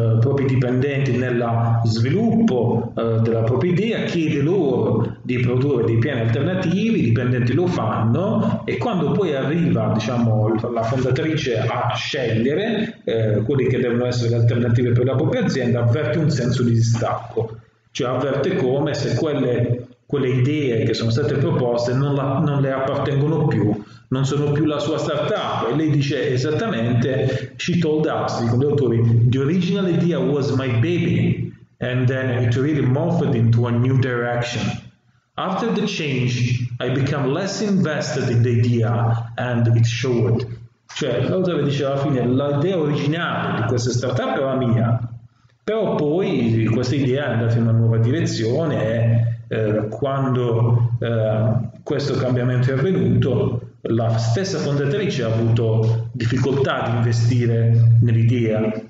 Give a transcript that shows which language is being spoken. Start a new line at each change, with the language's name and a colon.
Italian: propri dipendenti nello sviluppo della propria idea, chiede loro di produrre dei piani alternativi, i dipendenti lo fanno e quando poi arriva, diciamo, la fondatrice a scegliere quelle che devono essere le alternative per la propria azienda, avverte un senso di distacco, cioè avverte come se quelle idee che sono state proposte non le appartengono più, non sono più la sua startup. E lei dice esattamente:
English: She told us,
Italian: dicono gli autori,
English: the original idea was my baby, and then it really morphed into a new direction. After the change, I become less invested in the idea and it showed.
Italian: Cioè, cosa vi diceva alla fine? L'idea originale di questa startup era mia, però poi questa idea è andata in una nuova direzione e quando questo cambiamento è avvenuto, la stessa fondatrice ha avuto difficoltà di investire nell'idea.